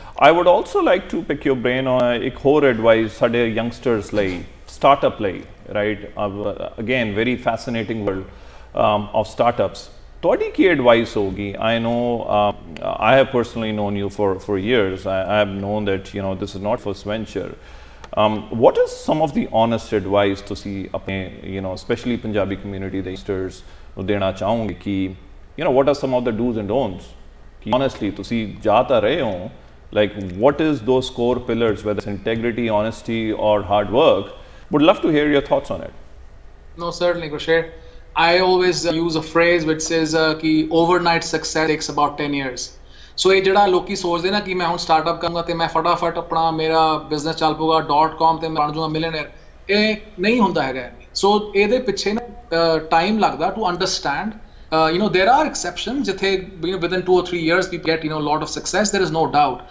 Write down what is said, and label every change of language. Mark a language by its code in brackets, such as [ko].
[en] I would also like to pick your brain on [pa] ਇੱਕ ਹੋਰ advice ਸਾਡੇ youngsters ਲਈ, ਸਟਾਰਟਅਪ ਲਈ, [en] Right? Again very fascinating world of startups, [pa] ਤੁਹਾਡੀ ਕੀ advice ਹੋਊਗੀ? [en] I know I have personally known you four years, I have known that you know this is not first venture. What is some of the honest advice to see apne, you know, especially Punjabi community, the youngsters, [pa] dena chahungi ki, [en] you know, what are some of the do's and don'ts? Ki honestly, to see jata rahe ho, like, what is those core pillars, whether it's integrity, honesty, or hard work? Would love to hear your thoughts on it. No, certainly, Krishir. I always use a phrase which says ki overnight success takes about 10 years. [pa] ਸੋ ਇਹ ਜਿਹੜਾ ਲੋਕ ਸੋਚਦੇ ਨਾ ਕਿ ਮੈਂ ਹੁਣ startup ਕਰੂੰਗਾ ਅਤੇ ਮੈਂ ਫਟਾਫਟ ਆਪਣਾ ਮੇਰਾ ਬਿਜ਼ਨਸ ਚੱਲ ਪਊਗਾ .com ਅਤੇ ਬਣ ਜੂੰਗਾ ਮਿਲੀਅਨੇਅਰ, ਇਹ ਨਹੀਂ ਹੁੰਦਾ ਹੈਗਾ। ਸੋ ਇਹਦੇ ਪਿੱਛੇ ਨਾ ਟਾਈਮ ਲੱਗਦਾ [en] To understand, you know there are exception ਜਿੱਥੇ with in 2 or 3 years we get you know lot of success, there is no doubt.